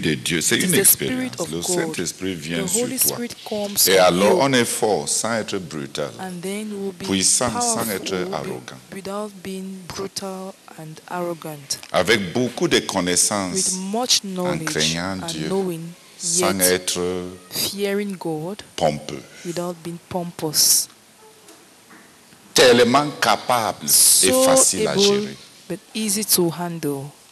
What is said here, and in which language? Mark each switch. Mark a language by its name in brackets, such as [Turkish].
[French] De Dieu, c'est une expérience. Le Saint-Esprit vient sur toi. Et alors, on est fort sans être brutal, puissant sans être arrogant. [English] Without being brutal and arrogant. [French] Avec beaucoup de connaissances, [English] with much knowledge [French] en craignant Dieu, [English] knowing, [French] sans être [English] fearing God, [French] pompeux. [English] Without being pompous. [French] Tellement capable [English] so [French] et facile [English] able, [French] à gérer. [English] But easy to handle.